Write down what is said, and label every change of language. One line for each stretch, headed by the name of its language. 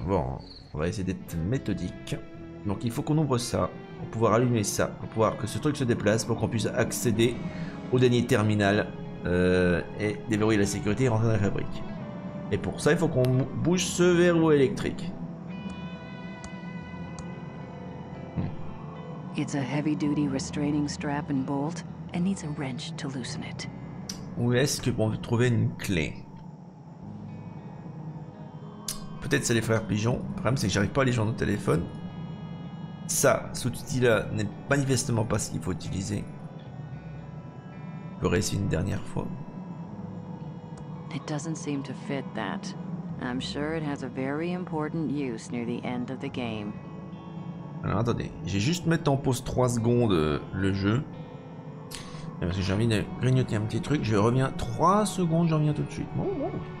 French: Bon, on va essayer d'être méthodique. Donc il faut qu'on ouvre ça pour pouvoir allumer ça, pour pouvoir que ce truc se déplace, pour qu'on puisse accéder au dernier terminal et déverrouiller la sécurité et rentrer dans la fabrique. Et pour ça, il faut qu'on bouge ce verrou électrique.
English: It's a heavy-duty restraining strap and bolt, and needs a wrench to loosen it.
French: Où est-ce que on peut trouver une clé? Peut-être c'est les frères Pigeon. Le problème, c'est que j'arrive pas à les joindre au téléphone. Ça, cet outil-là n'est manifestement pas ce qu'il faut utiliser. On peut réessayer une dernière fois.
English: It doesn't seem to fit that. I'm sure it has a very important use near the end of the game.
French: Alors attendez, j'ai juste mettre en pause 3 secondes le jeu. Parce que j'ai envie de grignoter un petit truc. Je reviens 3 secondes, j'en reviens tout de suite. Oh, oh.